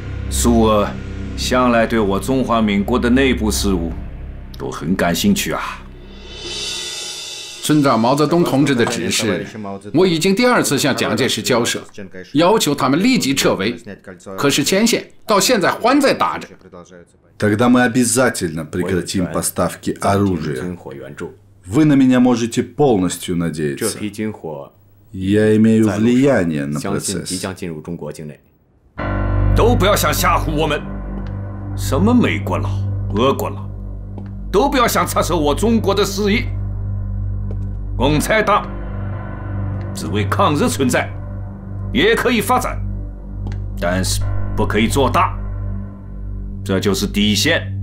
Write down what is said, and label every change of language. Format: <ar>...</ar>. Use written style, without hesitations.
<zh>苏俄向来对我中华民国的内部事务都很感兴趣啊。遵照毛泽东同志的指示，我已经第二次向蒋介石交涉，要求他们立即撤围，可是前线到现在还在打着。</zh> <ru>Тогда мы обязательно прекратим поставки оружия. Вы на меня можете полностью надеяться. Я имею влияние на процесс.</ru> <zh>都不要想吓唬我们，什么美国佬、俄国佬，都不要想插手我中国的事业。共产党只为抗日存在，也可以发展，但是不可以做大，这就是底线。</zh>